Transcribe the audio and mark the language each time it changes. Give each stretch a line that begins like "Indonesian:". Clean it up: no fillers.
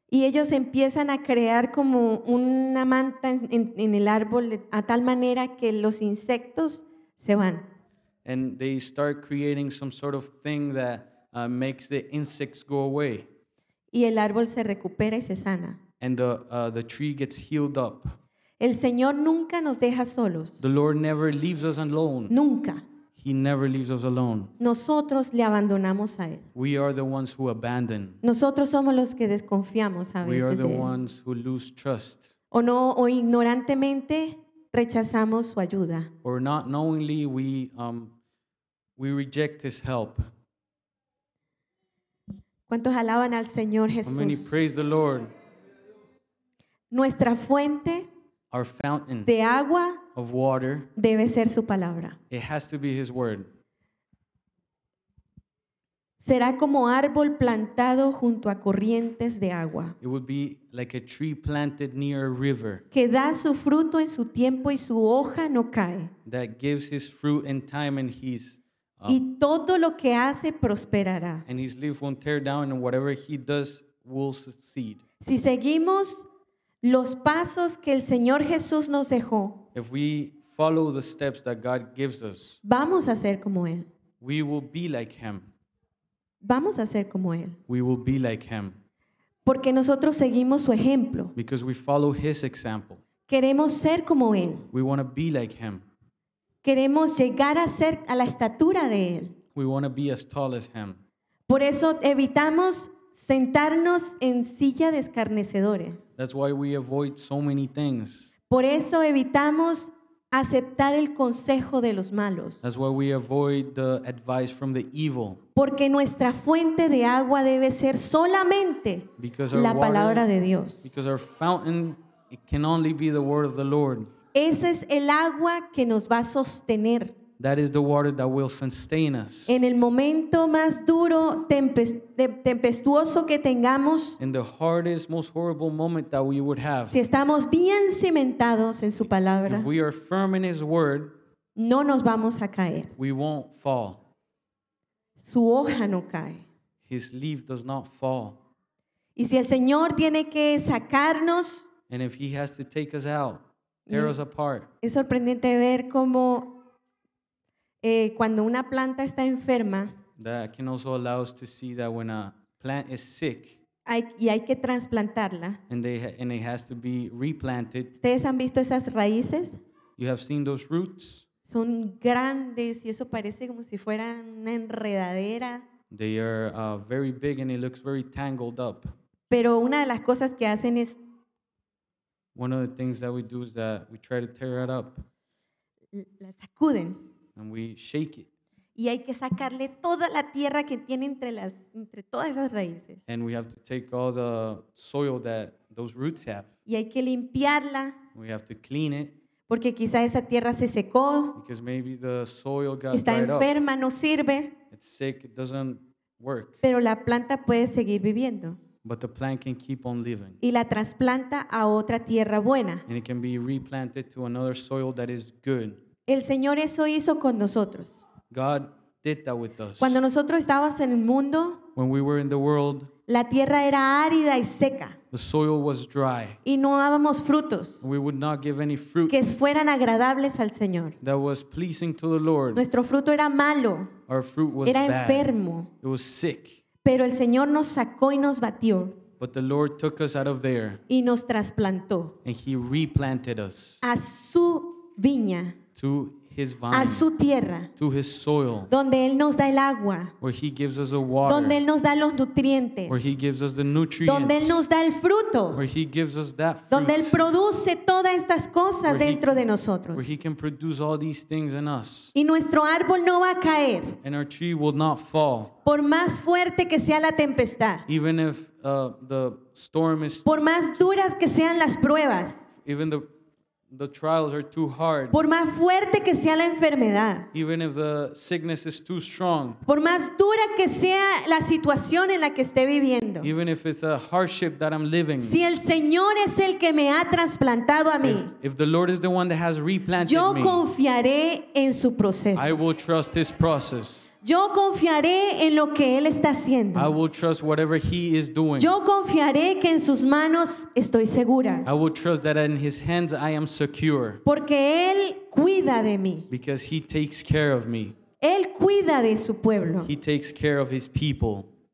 Spanish: Y ellos empiezan a crear como una manta en el árbol a tal manera que los insectos se van.
English: And they start creating some sort of thing that makes the insects go away.
Spanish: Y el árbol se recupera y se sana.
English: And the tree gets healed up.
Spanish: El Señor nunca nos deja solos.
English: The Lord never leaves us alone.
Spanish: Nunca.
English: He never leaves us alone.
Spanish: Nosotros le abandonamos a él.
English: We are the ones who abandon.
Spanish: Nosotros somos los que desconfiamos a veces de él.
English: We are the ones who lose trust.
Spanish: O no, o ignorantemente rechazamos su ayuda.
English: Or not knowingly we reject his help.
Spanish: ¿Cuántos alaban al Señor Jesús?
English: How many praise the Lord?
Spanish: Nuestra fuente,
English: our fountain,
Spanish: de agua,
English: of water,
Spanish: debe ser su palabra.
English: It has to be his word.
Spanish: Será como árbol plantado junto a corrientes de agua.
English: It would be like a tree planted near a river.
Spanish: Que da su fruto en su tiempo y su hoja no cae.
English: That gives his fruit in time and his
Spanish: y todo lo que hace prosperará.
English: And his leaf won't tear down, and whatever he does will succeed.
Spanish: Si seguimos los pasos que el Señor Jesús nos dejó,
English: if we follow the steps that God gives us,
Spanish: vamos a ser como él.
English: We will be like him.
Spanish: Vamos a ser como él.
English: We will be like him.
Spanish: Porque nosotros seguimos su ejemplo.
English: Because we follow his example.
Spanish: Queremos ser como él.
English: We want to be like him.
Spanish: Queremos llegar a ser a la estatura de él.
English: We want to be as tall as him.
Spanish: Por eso evitamos sentarnos en silla de escarnecedores.
English: That's why we avoid so many things.
Spanish: Por eso evitamos aceptar el consejo de los malos.
English: That's why we avoid the advice from the evil.
Spanish: Porque nuestra fuente de agua debe ser solamente la palabra de Dios.
English: Because our fountain, it can only be the word of the Lord.
Spanish: Ese es el agua que nos va a sostener.
English: That is the water that will sustain us.
Spanish: En el momento más duro, tempestuoso que tengamos.
English: In the hardest, most horrible moment that we would have.
Spanish: Si estamos bien cimentados en su palabra.
English: If we are firm in his word.
Spanish: No nos vamos a caer.
English: We won't fall.
Spanish: Su hoja no cae.
English: His leaf does not fall.
Spanish: Y si el Señor tiene que sacarnos.
English: And if he has to take us out. Tear us apart.
Spanish: Es sorprendente ver cómo cuando una planta está enferma.
English: That can also allow us to see that when a plant is sick.
Spanish: Hay que trasplantarla.
English: And it has to be replanted.
Spanish: ¿Ustedes han visto esas raíces?
English: You have seen those roots.
Spanish: Son grandes y eso parece como si fuera una enredadera.
English: They are very big and it looks very tangled up.
Spanish: Pero una de las cosas que hacen es
English: one of the things that we do is that we try to tear it up.
Spanish: La sacuden.
English: And we shake it.
Spanish: Y hay que sacarle toda la tierra que tiene entre todas esas raíces.
English: And we have to take all the soil that those roots have.
Spanish: Y hay que limpiarla.
English: We have to clean it.
Spanish: porque quizá esa tierra se secó, está enferma, no sirve,
English: it's sick, it doesn't work.
Spanish: Pero la planta puede seguir viviendo.
English: But the plant can keep on living.
Spanish: Y la trasplanta a otra tierra buena.
English: And it can be replanted to another soil that is good.
Spanish: El Señor eso hizo con nosotros.
English: God did that with us.
Spanish: Cuando nosotros estábamos en el mundo,
English: when we were in the world,
Spanish: la tierra era árida y seca.
English: The soil was dry.
Spanish: Y no dábamos frutos.
English: We would not give any fruit.
Spanish: Que fueran agradables al Señor.
English: That was pleasing to the Lord.
Spanish: Nuestro fruto era malo.
English: Our fruit was
Spanish: era
English: bad.
Spanish: Enfermo.
English: It was sick.
Spanish: Pero el Señor nos sacó y nos batió.
English: But the Lord took us out of there.
Spanish: Y nos trasplantó.
English: And he replanted us.
Spanish: A su viña.
English: To his vine.
Spanish: A su tierra.
English: To his soil.
Spanish: Donde él nos da el agua.
English: Where he gives us the water.
Spanish: Donde él nos da los nutrientes.
English: Where he gives us the nutrients.
Spanish: Donde él nos da el fruto.
English: Where he gives us that fruit.
Spanish: Donde él produce todas estas cosas where dentro de nosotros.
English: Where he can produce all these things in us.
Spanish: Y nuestro árbol no va a caer.
English: And our tree will not fall.
Spanish: Por más fuerte que sea la tempestad.
English: Even if the storm is.
Spanish: Por más duras que sean las pruebas.
English: Even the trials are too hard.
Spanish: Por más fuerte que sea la enfermedad.
English: Even if the sickness is too strong.
Spanish: Por más dura que sea la situación en la que esté viviendo.
English: Even if it's a hardship that I'm living.
Spanish: Si el Señor es el que me ha trasplantado a mí.
English: If the Lord is the one that has replanted
Spanish: yo
English: me.
Spanish: Yo confiaré en su proceso.
English: I will trust his process.
Spanish: Yo confiaré en lo que él está haciendo.
English: I will trust whatever he is doing.
Spanish: Yo confiaré que en sus manos estoy segura.
English: I will trust that in his hands I am secure.
Spanish: Porque él cuida de mí.
English: Because he takes care of me.
Spanish: Él cuida de su pueblo.
English: He takes care of his people.